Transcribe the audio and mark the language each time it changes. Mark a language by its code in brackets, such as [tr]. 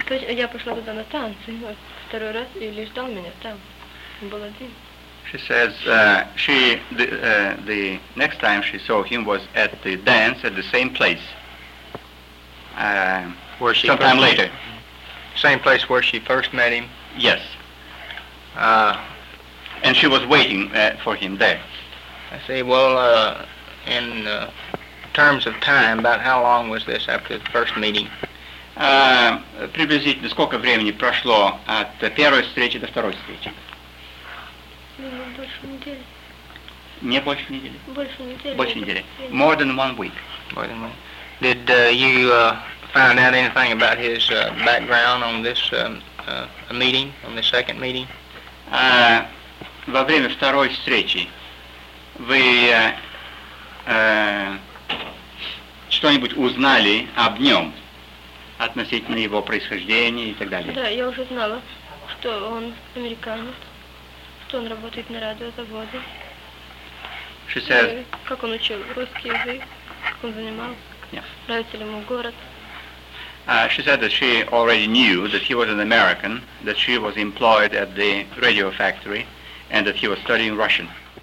[ru] Я пошла туда на танцы, второй раз, и Ли ждал меня там. [en] She says the next time she saw him was at the dance at the same place. Where she sometime later. Same place where she first met him. Yes. And she was waiting for him there. I say, well, in terms of time, about how long was this after the first meeting? [ru] Приблизительно сколько времени прошло от первой встречи до второй встречи? Больше недели. Не больше недели. Больше недели. [en] More than 1 week. More than 1. Did you find out anything about his background on this meeting, on the second meeting? [ru] Во время второй встречи вы что-нибудь узнали об нем относительно его происхождения и так далее? Да, я уже знала, что он американец. Он работает на радиозаводе. [en] She says, [ru] как он учил русский язык, как он занимался, [en] yeah. [ru] Нравится ли ему город. [en] She said that she already knew that he was an American, that she was employed at the radio factory, and that he was studying Russian.